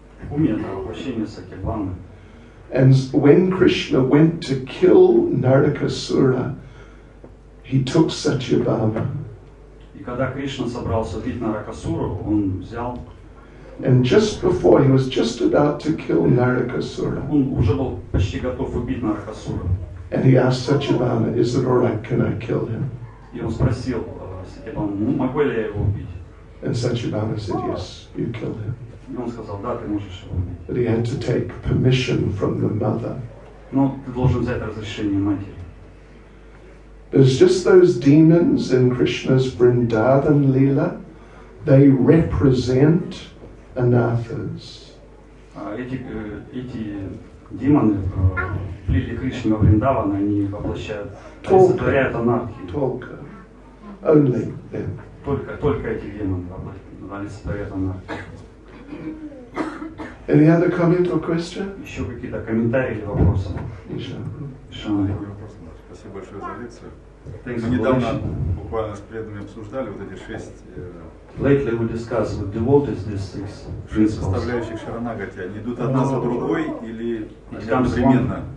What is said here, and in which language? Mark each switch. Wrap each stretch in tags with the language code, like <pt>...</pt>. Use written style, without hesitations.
<ru>Bhumi это воплощение Сатьябхамы.</ru> <en>And when Krishna went to kill Narakasura, he took Satyabhama.</en> <ru>И когда Кришна собрался убить Наракасуру, он взял.</ru> <en>And just before he was just about to kill Narakasura.</en> <ru>Он уже был почти готов убить Наракасуру.</ru> <en>And he asked Satyabhama, "Is it all right? Can I kill him?"</en> <ru>И он спросил Сатьябхаму, могу ли я его убить?</ru> <en>And Satyabhama said, "Yes, you kill him."</en> <ru>И он сказал, да, ты можешь его убить.</ru> <en>But he had to take permission from the mother.</en> <ru>Но ты должен взять разрешение матери.</ru> <en>There's just those demons in Krishna's Vrindavan Lila. They represent anathas.</en> <ru>Эти демоны в лиле Кришны Вриндавана, они воплощают, олицетворяют анархию. Только.</ru> <en>Only them.</en> <ru>Только эти демоны олицетворяют анархию.</ru> <en>Any other comment or question?</en> <ru>Еще какие-то комментарии или вопросы? Еще. Спасибо большое за лекцию. Недавно буквально с преданными обсуждали вот эти шесть.</ru> <en>Lately we discussed with devotees these six principles.</en> <ru>Составляющих шаранагати, они идут одна за другой или одновременно?</ru>